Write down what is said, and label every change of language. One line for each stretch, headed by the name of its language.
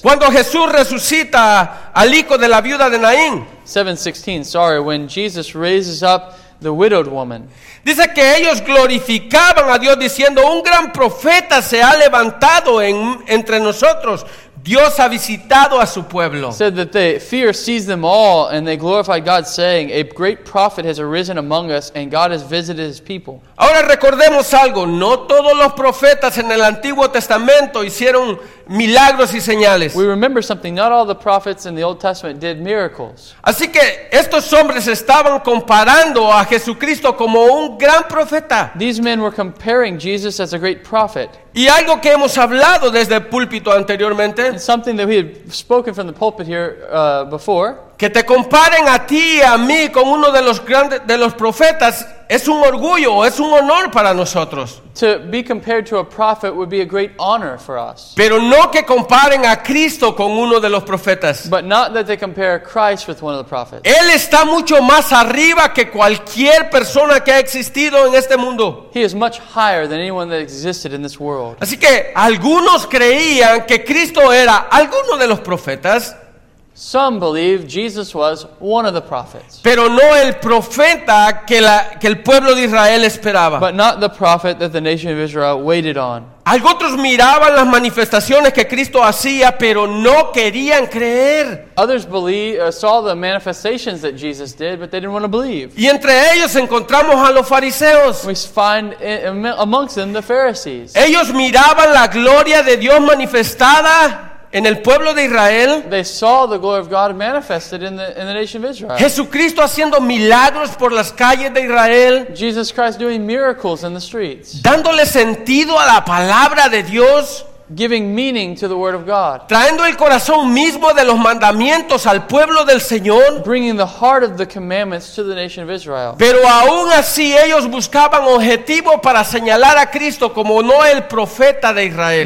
Spanish: Cuando Jesús resucita al hijo de la viuda de Naín.
English: 7:16, sorry, when Jesus raises up the widowed woman.
Spanish: Dice que ellos glorificaban a Dios diciendo, un gran profeta se ha levantado entre nosotros. Dios ha visitado a su pueblo.
English: Said that they fear seized them all, and they glorified God, saying, a great prophet has arisen among us, and God has visited his people.
Spanish: Ahora recordemos algo. No todos los profetas en el Antiguo Testamento hicieron milagros y señales.
English: We remember something. Not all the prophets in the Old Testament did miracles.
Spanish: Así que estos hombres estaban comparando a Jesucristo como un gran profeta.
English: These men were comparing Jesus as a great prophet.
Spanish: Y algo que hemos hablado desde el púlpito anteriormente.
English: And something that we had spoken from the pulpit here before.
Spanish: Que te comparen a ti y a mí con uno de los grandes de los profetas es un orgullo, es un honor para nosotros.
English: To be compared to a prophet would be a great honor for us.
Spanish: Pero no que comparen a Cristo con uno de los profetas.
English: But not that they compare Christ with one of the prophets.
Spanish: Él está mucho más arriba que cualquier persona que ha existido en este mundo.
English: He is much higher than anyone that existed in this world.
Spanish: Así que algunos creían que Cristo era alguno de los profetas.
English: Some believe Jesus was one of the prophets.
Spanish: Pero no el profeta que el pueblo de Israel esperaba.
English: But not the prophet that the nation of Israel waited on.
Spanish: Algunos miraban las manifestaciones que Cristo hacía, pero no querían creer.
English: Others saw the manifestations that Jesus did, but they didn't want to believe.
Spanish: Y entre ellos encontramos a los fariseos.
English: We find amongst them the Pharisees.
Spanish: Ellos miraban la gloria de Dios manifestada en el pueblo de Israel.
English: They saw the glory of God manifested in the nation of Israel.
Spanish: Jesucristo haciendo milagros por las calles de Israel.
English: Jesus Christ doing miracles in the streets.
Spanish: Dándole sentido a la palabra de Dios.
English: Giving meaning to the word of God.
Spanish: Trayendo el corazón mismo de los mandamientos al pueblo del Señor.
English: Bringing the heart of the commandments to the nation of Israel.
Spanish: Pero aún así ellos buscaban objetivo para señalar a Cristo como no el profeta de Israel.